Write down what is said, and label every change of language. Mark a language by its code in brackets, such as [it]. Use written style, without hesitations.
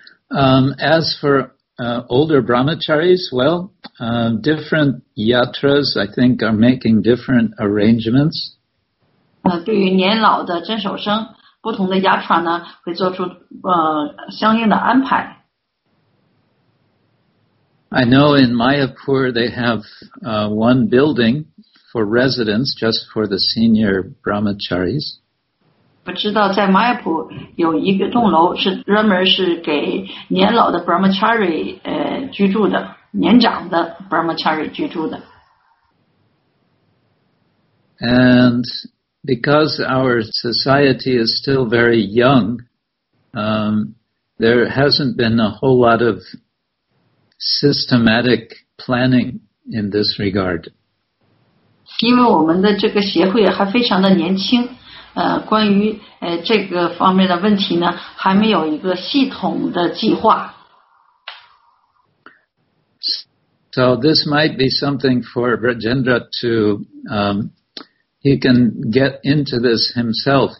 [en] As for older brahmacharis, well, different yatras, I think, are making different arrangements. [zh] 对于年老的真守生，不同的雅传呢会做出相应的安排。 [en] I know in Mayapur they have one building for residents just for the senior brahmacharis. [zh] 我知道在 Mayapur 有一个栋楼是专门是给年老的 brahmachari 居住的，年长的 brahmachari 居住的。 [en] And because our society is still very young, there hasn't been a whole lot of systematic planning in this regard. [zh] 因为我们的这个协会还非常的年轻，关于这个方面的问题呢，还没有一个系统的计划。 [en] So this might be something for Rajendra to he can get into this himself.